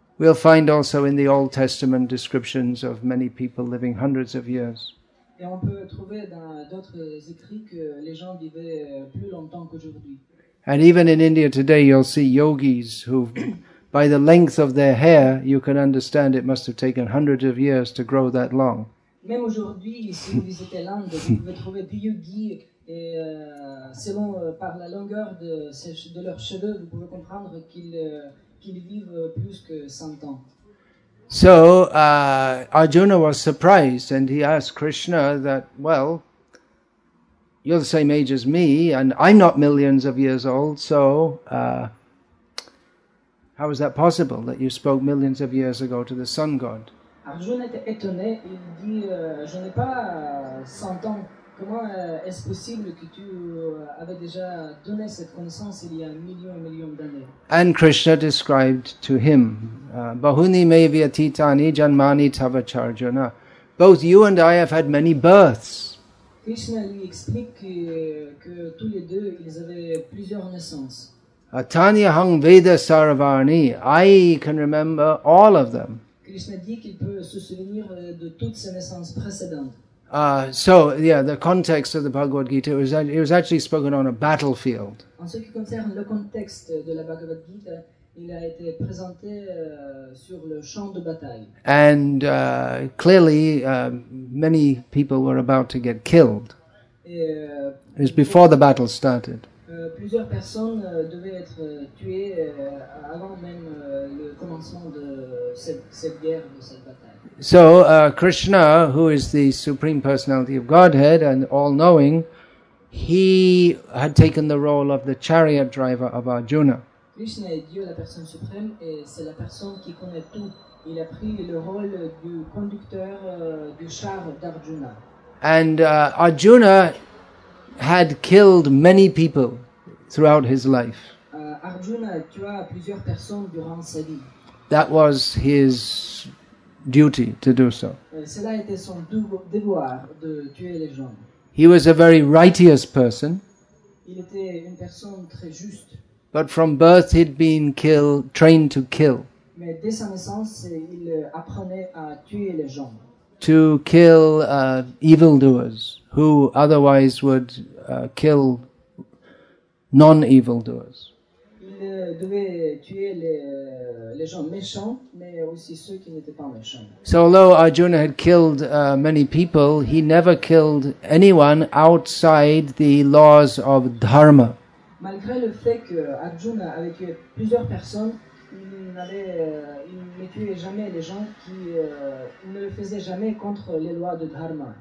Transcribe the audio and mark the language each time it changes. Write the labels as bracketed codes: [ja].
[en] We'll find also in the Old Testament descriptions of many people living hundreds of years. [fr] Et on peut trouver dans d'autres écrits que les gens vivaient plus longtemps qu'aujourd'hui. [en] And even in India today, you'll see yogis who, by the length of their hair, you can understand it must have taken hundreds of years to grow that long. [fr] Même aujourd'hui, si vous visitez l'Inde, vous pouvez trouver des yogis et selon par la longueur de leurs cheveux, vous pouvez comprendre qu'ils vivent plus que 100 ans. [en] So Arjuna was surprised and he asked Krishna that, well, you're the same age as me and I'm not millions of years old, so how is that possible that you spoke millions of years ago to the sun god? [fr] Arjuna était étonné, il dit, je n'ai pas 100 ans, comment est-ce possible que tu avais déjà donné cette connaissance il y a millions et millions d'années? [en] And Krishna described to him, [sa] Bahuni mevi atitani janmani tavach Arjuna, [en] both you and I have had many births. [fr] Krishna lui explique que tous les deux, ils avaient plusieurs naissances. [sa] Atani hang veda saravarni, [en] I can remember all of them. [fr] Krishna dit qu'il peut se souvenir de toutes ses naissances précédentes. [en] The context of the Bhagavad Gita, it was actually spoken on a battlefield. [fr] En ce qui concerne le contexte de la Bhagavad Gita, il a été présenté sur le champ de bataille. [en] And clearly, many people were about to get killed. It was before the battle started. [fr] Plusieurs personnes devaient être tuées avant même le commencement de cette guerre, de cette bataille. [en] So Krishna, who is the Supreme Personality of Godhead and all-knowing, he had taken the role of the chariot driver of Arjuna. [fr] Krishna est Dieu, la personne suprême, et c'est la personne qui connaît tout. Il a pris le rôle du conducteur du char d'Arjuna. [en] And Arjuna had killed many people throughout his life. [fr] Arjuna tua plusieurs personnes durant sa vie. [en] That was his duty to do so. [fr] Cela était son devoir de tuer les gens. [en] He was a very righteous person. [fr] Il était une personne très juste. [en] But from birth he'd been trained to kill. [fr] Mais dès sa naissance, il apprenait à tuer les gens. [en] To kill evildoers who otherwise would kill non-evildoers. [fr] Il devait tuer les gens méchants, mais aussi ceux qui n'étaient pas méchants. [en] So although Arjuna had killed many people, he never killed anyone outside the laws of dharma. [fr] Malgré le fait que Arjuna avait tué plusieurs personnes, il ne tuait jamais les gens qui ne le faisaient jamais contre les lois de dharma.